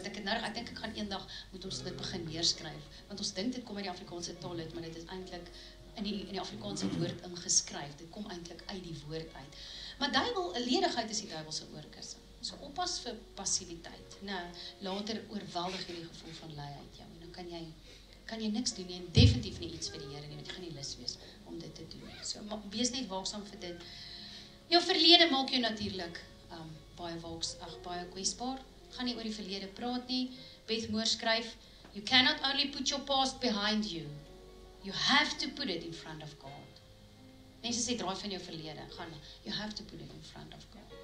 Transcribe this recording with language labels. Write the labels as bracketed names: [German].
[Afrikaans] Ek dink ek gaan eendag moet ons dit begin neerskryf, want ons dink dit kom uit die Afrikaanse taal uit, maar dit is eintlik in die Afrikaanse woord ingeskryf. Dit kom eintlik uit die woord uit. Maar duiwel, ledigheid is die duiwelse oorkussing. So oppas vir passiwiteit. Nou, later oorweldig hierdie gevoel van lui uit jou. En dan kan jy niks doen nie en definitief nie iets vir die Here nie, want jy gaan nie lus wees om dit te doen. So wees net waaksaam vir dit. Jou verlede maak jou natuurlik baie kwesbaar. Gaan nie oor die verlede praat nie. Beth Moore skryf, [English] you cannot only put your past behind you. You have to put it in front of God. [Afrikaans] Mense sê, draai van jou verlede. Gaan, [English] you have to put it in front of God.